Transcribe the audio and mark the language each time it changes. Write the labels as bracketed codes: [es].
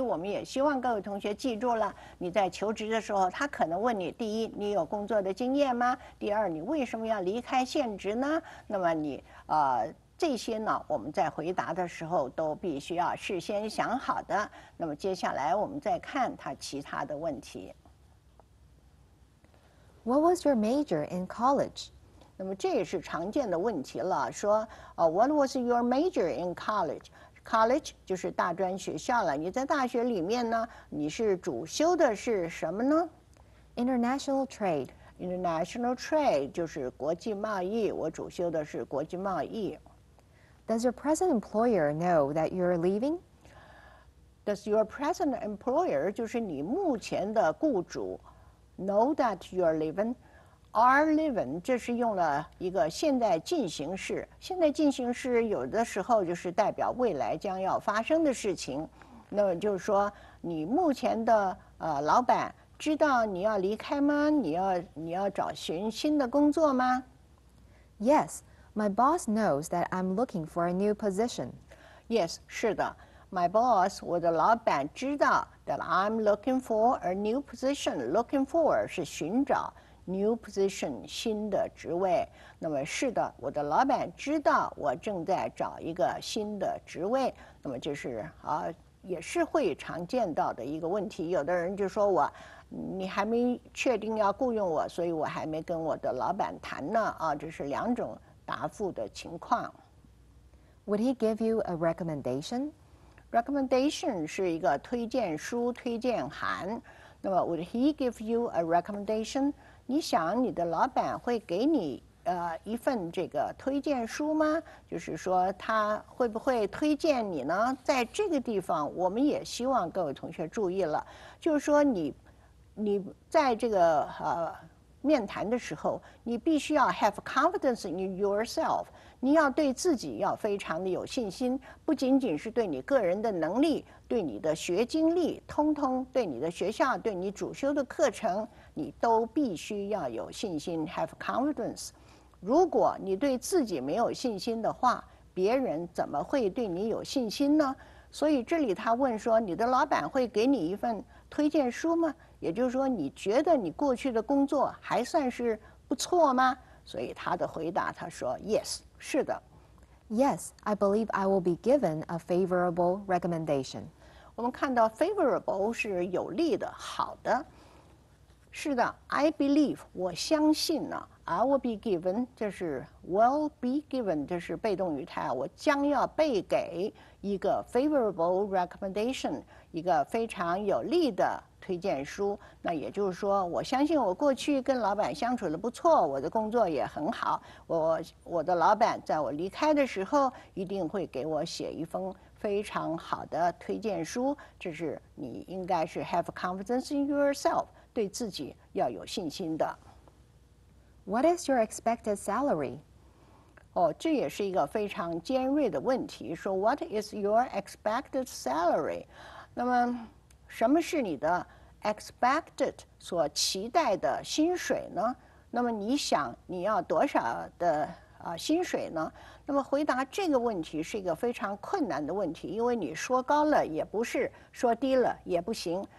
[zh] 我们也希望各位同学记住了，你在求职的时候，他可能问你：第一，你有工作的经验吗？第二，你为什么要离开现职呢？那么你这些呢，我们在回答的时候都必须要事先想好的。那么接下来我们再看他其他的问题。 [en] What was your major in college? [zh] 那么这也是常见的问题了，说 What was your major in college? College 就是大专学校了，你在大学里面呢，你是主修的是什么呢？ [en] International trade。 [zh] International trade 就是国际贸易，我主修的是国际贸易。 [en] Does your present employer know that you're leaving? Does your present employer, 就是你目前的雇主 know that you're leaving? [zh] Are leaving, 这是用了一个现在进行式。现在进行式有的时候就是代表未来将要发生的事情。那么就是说你目前的老板知道你要离开吗？你要找寻新的工作吗？ [en] Yes, my boss knows that I'm looking for a new position. [zh] Yes, 是的。 [en] My boss, 我的老板知道 that I'm looking for a new position. [zh] Looking for 是寻找 new position, 新的职位。那么是的，我的老板知道我正在找一个新的职位。那么就是啊，也是会常见到的一个问题。有的人就说我，你还没确定要雇佣我，所以我还没跟我的老板谈呢。啊，这是两种答复的情况。 [en] Would he give you a recommendation? [zh] Recommendation 是一个推荐书、推荐函。 [en] 那么 ，Would he give you a recommendation? [zh] 你想你的老板会给你一份这个推荐书吗？就是说他会不会推荐你呢？在这个地方，我们也希望各位同学注意了，就是说你在这个面谈的时候，你必须要 have confidence in yourself。你要对自己要非常的有信心，不仅仅是对你个人的能力，对你的学经历，通通对你的学校，对你主修的课程，你都必须要有信心 ， have confidence。如果你对自己没有信心的话，别人怎么会对你有信心呢？所以这里他问说，你的老板会给你一份推荐书吗？也就是说，你觉得你过去的工作还算是不错吗？所以他的回答，他说 ，Yes。是的 [en] ，Yes, I believe I will be given a favorable recommendation. [zh] 我们看到 favorable 是有利的、好的。是的 ， I believe 我相信呢、啊、， I will be given 这是 will be given 这是被动语态，我将要被给一个 favorable recommendation，一个非常有利的推荐书。那也就是说，我相信我过去跟老板相处得不错，我的工作也很好。我的老板在我离开的时候，一定会给我写一封非常好的推荐书。这是你应该是 have confidence in yourself，对自己要有信心的。 [en] What is your expected salary？ [zh] 哦，这也是一个非常尖锐的问题。说 What is your expected salary？那么什么是你的 expected 所期待的薪水呢？那么你想你要多少的薪水呢？那么回答这个问题是一个非常困难的问题，因为你说高了也不是，说低了也不行。